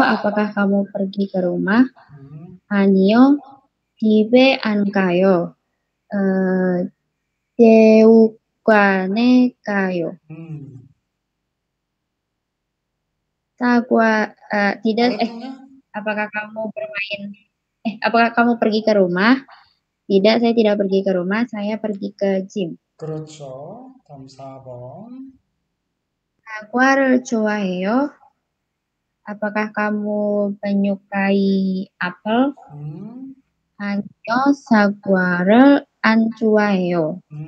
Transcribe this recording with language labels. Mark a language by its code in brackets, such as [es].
[id] Apakah kamu pergi ke rumah? [ko] Aniyo, 집에 안 가요. 체육관에 가요. [id] Tidak, 아르티냐? apakah kamu pergi ke rumah? Tidak, saya tidak pergi ke rumah. Saya pergi ke gym. [ko] 그렇죠. 다음 4번. 사과를 좋아해요? [id] Apakah kamu menyukai apel? [ko] 아니요, 사과를 안 좋아해요.